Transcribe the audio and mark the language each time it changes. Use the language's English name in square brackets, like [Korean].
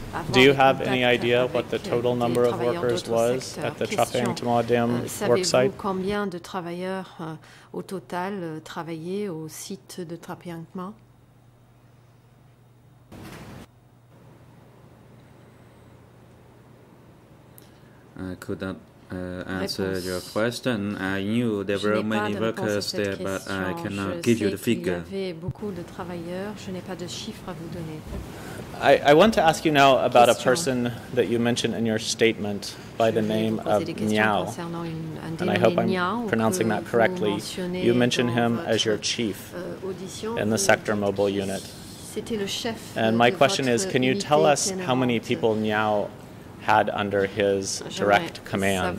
[English] Do you have any idea what the total number of workers was at the Trappe-en-Plant dam work site? [French] Combien de travailleurs au total travaillaient au site de Trappe-en-Plant? [English] I could not answer [French] Réponse. [English] Your question. I knew there [French] Je [English] were many workers there, but I cannot give you the figure. [French] Y avait beaucoup de travailleurs. Je n'ai pas de chiffres à vous donner. [English] I want to ask you now about a person that you mentioned in your statement by the name of Niao, and I hope I'm pronouncing that correctly. You mentioned him as your chief in the sector mobile unit. [French] Le chef [English] and my question is, can you tell us how many people Niao had under his direct command?